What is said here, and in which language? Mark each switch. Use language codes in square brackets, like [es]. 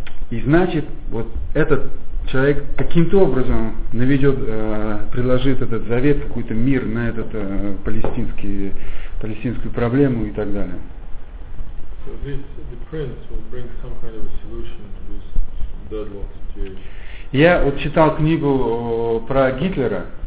[ru] И значит, вот этот человек каким-то образом наведет, предложит этот завет, какой-то мир на этот палестинскую проблему и так далее. [en] So this, the prince will bring some kind of a solution to this deadlock situation. [ru] Я вот читал книгу про Гитлера.